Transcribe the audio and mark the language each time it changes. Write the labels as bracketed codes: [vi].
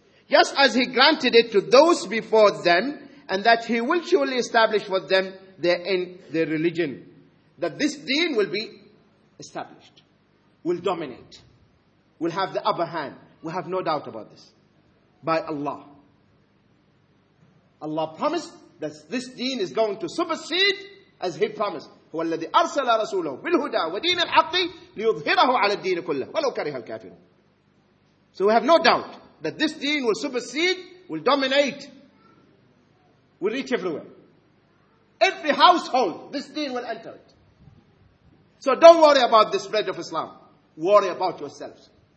[en] Just as He granted it to those before them, and that He will surely establish for them their religion. That this deen will be established, will dominate, will have the upper hand. We have no doubt about this. By Allah. Allah promised that this deen is going to supersede as He promised. [ar] هو الذي أرسل رسوله بالهدى ودين الحق ليظهره على الدين كله ولو كره الكافرون. [en] So we have no doubt that this deen will supersede, will dominate, will reach everywhere. Every household, this deen will enter it. So don't worry about the spread of Islam. Worry about yourselves.